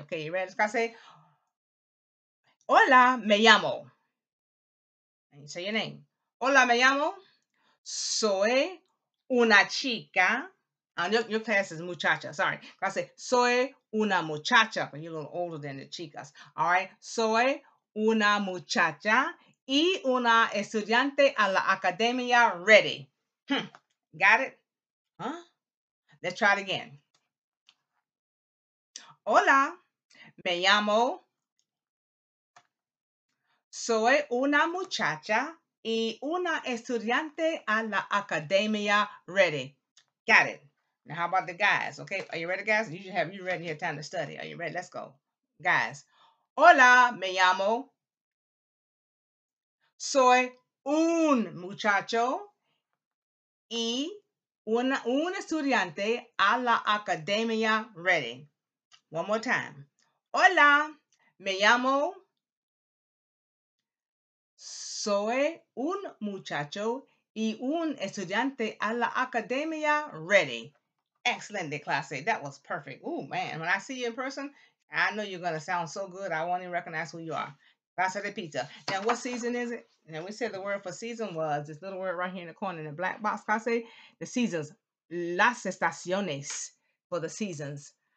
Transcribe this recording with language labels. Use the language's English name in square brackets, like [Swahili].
[English] Okay, you ready? It's gonna say, [Spanish] hola, me llamo. [English] And you say your name. [Spanish] Hola, me llamo. Soy una chica. [English] And your class is muchacha, sorry. I say, [Spanish] soy una muchacha, [English] but you're a little older than the chicas. All right, [Spanish] soy una muchacha y una estudiante a la academia ready. [English] Got it? Huh? Let's try it again. [Spanish] Hola, me llamo. Soy una muchacha y una estudiante a la academia ready. [English] Got it. Now, how about the guys? Okay, are you ready, guys? You should have you ready here, time to study. Are you ready? Let's go. Guys. [Spanish] Hola, me llamo. Soy un muchacho y un estudiante a la academia ready. [English] One more time. [Spanish] Hola, me llamo. Soy un muchacho y un estudiante a la academia ready. [English] Excellent, [Spanish] de clase. [English] That was perfect. Oh, man. When I see you in person, I know you're going to sound so good. I won't even recognize who you are. [Spanish] Casa de pizza. [English] Now, what season is it? Now, we said the word for season was this little word right here in the corner in the black box. Clase, the seasons. [Spanish] Las estaciones [English] for the seasons.